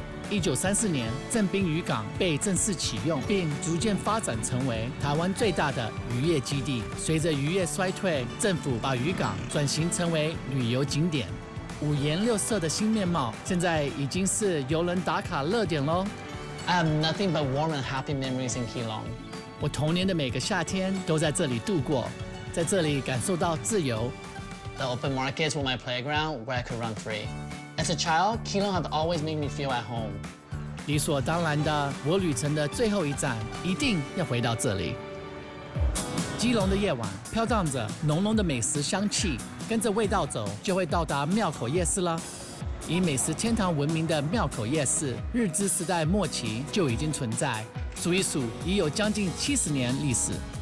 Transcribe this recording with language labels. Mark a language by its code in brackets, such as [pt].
[zh] 1934年，正滨渔港被正式启用，并逐渐发展成为台湾最大的渔业基地。随着渔业衰退，政府把渔港转型成为旅游景点，五颜六色的新面貌，现在已经是游人打卡热点喽。 [en] I have nothing but warm and happy memories in Key Long. [zh] 我童年的每个夏天都在这里度过，在这里感受到自由。 [en] The open markets were my playground where I could run free. As a child, Key Long have always made me feel at home. [zh] 理所当然的，我旅程的最后一站一定要回到这里。基隆的夜晚飘荡着浓浓的美食香气，跟着味道走，就会到达庙口夜市了。以美食天堂闻名的庙口夜市，日治时代末期就已经存在，数一数已有将近70年历史。